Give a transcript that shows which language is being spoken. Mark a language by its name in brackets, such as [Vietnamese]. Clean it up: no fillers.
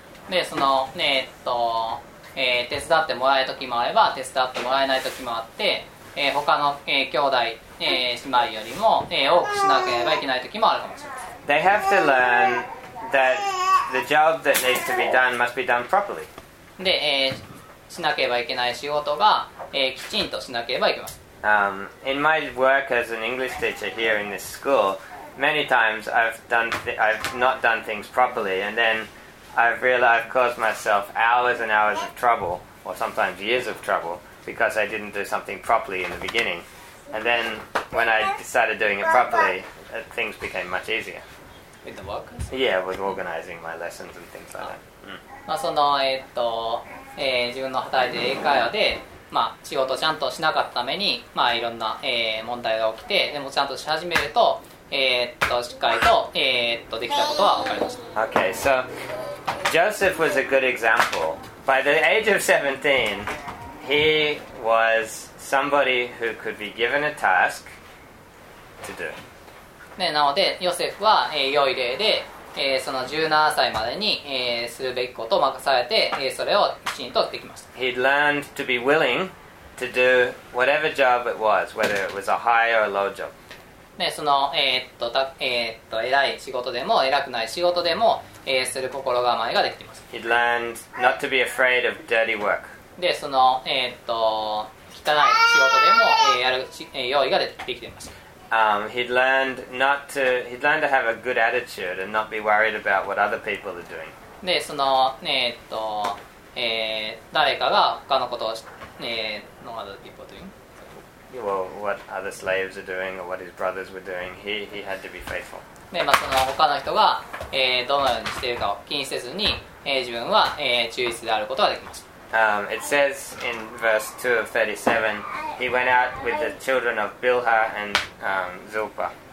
[Japanese] でその、ね、手伝ってもらえる時もあれば手伝ってもらえない時もあって、他の、兄弟姉妹よりも、多くしなければいけない時もあるかもしれません。 [English] They have to learn that the job that needs to be done must be done properly. [Japanese] で、しなければいけない仕事が、きちんとしなければいけません。 [English] In my work as an English teacher here in this school, many times I've not done things properly, and then I've caused myself hours and hours of trouble, or sometimes years of trouble, because I didn't do something properly in the beginning. And then, when I started doing it properly, things became much easier. With the work? Yeah, with organizing my lessons and things like that. [Japanese] まあその、自分の働いている英会話で、まあ、仕事をちゃんとしなかったために、まあ、いろんな、問題が起きて、でもちゃんとし始めると、しっかりと、できたことは分かりました。 [English] Okay, so Joseph was a good example. By the age of 17, he wasSomebody who could be given a task to do. [Japanese] ね、なのでヨセフは、良い例で、その17歳までに、するべきことを任されて、それをきちんとできました。 [English] He'd learned to be willing to do whatever job it was, whether it was a high or a low job. [Japanese] ね、その、偉い仕事でも偉くない仕事でも、する心構えができています。 [English] He'd learned not to be afraid of dirty work. [Japanese] で、その、汚い仕事でも、やる、用意ができていました。 [English] He'd learned to have a good attitude and not be worried about what other people are doing. [Japanese] で、その、誰かが他のことを、の [English] other people doing? Well, what other slaves are doing or what his brothers were doing, he had to be faithful. [Japanese] で、まあ、その他の人が、どのようにしているかを気にせずに、自分は、忠実であることができました。 [English] It says in verse 2 of 37, he went out with the children of Bilhah and Zilpah.